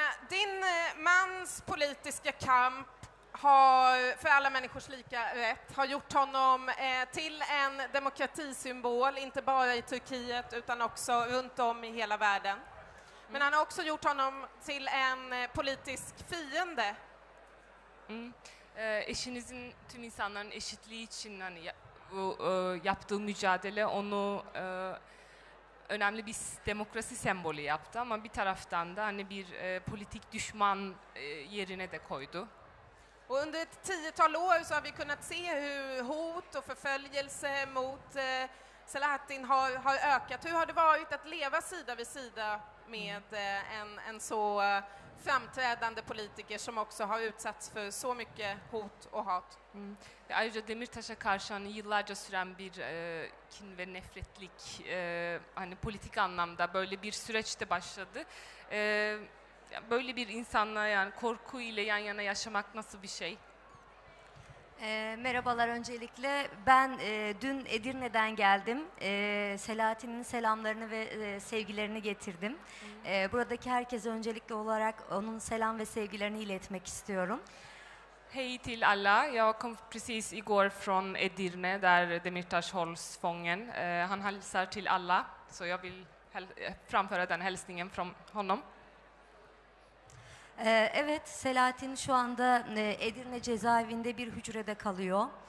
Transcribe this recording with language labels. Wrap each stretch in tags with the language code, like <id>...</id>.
<sv>Din mans politiska kamp har för alla människors lika rätt har gjort honom till en demokratisymbol, inte bara i Turkiet utan också runt om i hela världen. Men han har också gjort honom till en politisk fiende.</sv> <tr>Eşinizin tüm insanların eşitliği için hani yaptığı mücadele onu önemli bir demokrasi sembolü yaptı, ama bir taraftan da hani bir politik düşman yerine de koydu.</tr> <sv>Och under ett tiotal år så har vi kunnat se hur hot och förföljelse mot Selahattin har ökat. Hur har det varit att leva sida vid sida med en så framträdande politiker som också har utsatts för så mycket hot och hat?</sv> <tr>Ayrıca Demirtaş'a karşı hani yıllarca süren bir kin ve nefretlik hani politik anlamda böyle bir süreç de başladı. Böyle bir insanla yani korku ile yan yana yaşamak nasıl bir şey? Merhabalar öncelikle. Ben dün Edirne'den geldim. Selahattin'in selamlarını ve sevgilerini getirdim. Buradaki herkese öncelikli olarak onun selam ve sevgilerini iletmek istiyorum.</tr> <sv>Hej till alla. Jag kom precis igår från Edirne där Demirtas hålls fången. Han hälsar till alla, så jag vill framföra den hälsningen från honom.</sv> <tr>Evet, Selahattin şu anda Edirne cezaevinde bir hücrede kalıyor.</tr>